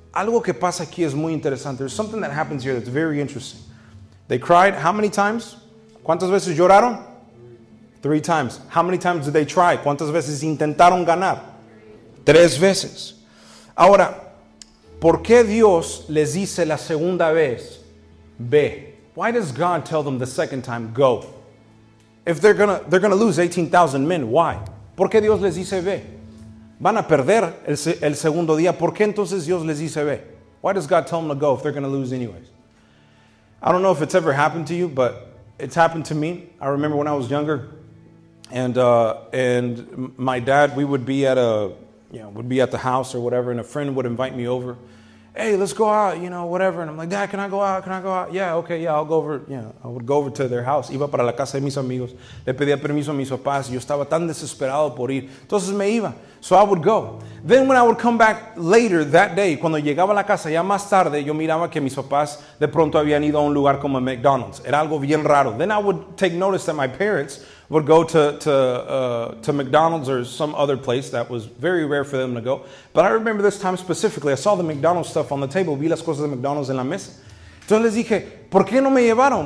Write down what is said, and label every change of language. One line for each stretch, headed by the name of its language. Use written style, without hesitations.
Spanish: Algo que pasa aquí es muy interesante.
English: There's something that happens here that's very interesting. They cried, how many times?
Spanish: ¿Cuántas veces lloraron?
English: Three times. How many times did they try?
Spanish: ¿Cuántas veces intentaron ganar? Tres veces. Ahora, ¿por qué Dios les dice la segunda vez, ve?
English: Why does God tell them the second time, go? If they're gonna lose 18,000 men, why?
Spanish: ¿Por qué Dios les dice ve? Van a perder el segundo día. ¿Por qué entonces Dios les dice ve?
English: Why does God tell them to go if they're gonna lose anyways? I don't know if it's ever happened to you, but it's happened to me. I remember when I was younger, and my dad, we would be at a, you know, would be at the house or whatever, and a friend would invite me over. Hey, let's go out, you know, whatever. And I'm like, Dad, can I go out? Can I go out? Yeah, okay, yeah, I'll go over. Yeah, I would go over to their house.
Spanish: Iba para la casa de mis amigos. Le pedía permiso a mis papás. Yo estaba tan desesperado por ir. Entonces me iba.
English: So I would go. Then when I would come back later that day,
Spanish: cuando llegaba a la casa ya más tarde, yo miraba que mis papás de pronto habían ido a un lugar como McDonald's. Era algo bien raro.
English: Then I would take notice that my parents would go to McDonald's or some other place that was very rare for them to go. But I remember this time specifically. I saw the McDonald's stuff on the table.
Spanish: Vi las cosas de McDonald's en la mesa. Entonces les dije, ¿por qué no me llevaron?